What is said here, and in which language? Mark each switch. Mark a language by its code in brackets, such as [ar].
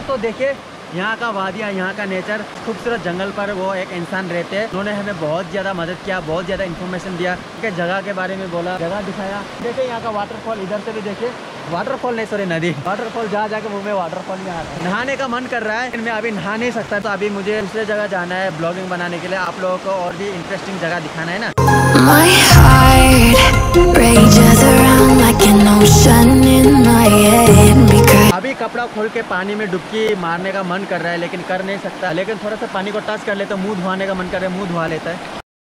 [hi] तो देखिए यहाँ का वादिया, यहाँ का नेचर, खूबसूरत जंगल पर वो एक इंसान रहते हैं, उन्होंने हमें बहुत ज्यादा मदद किया, बहुत ज्यादा इन्फॉर्मेशन दिया, जगह के बारे में बोला, जगह दिखाया। देखिए यहाँ का वाटरफॉल, इधर से भी देखिए, वाटरफॉल नहीं सॉरी नदी, वाटरफॉल जहाँ जाके वो मैं वाटरफॉल में आ रहा है। नहाने का मन कर रहा है, मैं अभी नहा नहीं सकता, तो अभी मुझे दूसरे जगह जाना है ब्लॉगिंग बनाने के लिए, आप लोगों को और भी इंटरेस्टिंग जगह दिखाना है ना। [en] My heart rages around like an ocean in my head. [hi] अभी कपड़ा खोल के पानी में डुबकी मारने का मन कर रहा है लेकिन कर नहीं सकता, लेकिन थोड़ा सा पानी को टच कर लेते, मुंह धोने का मन कर रहा है, मुंह धोवा लेता है।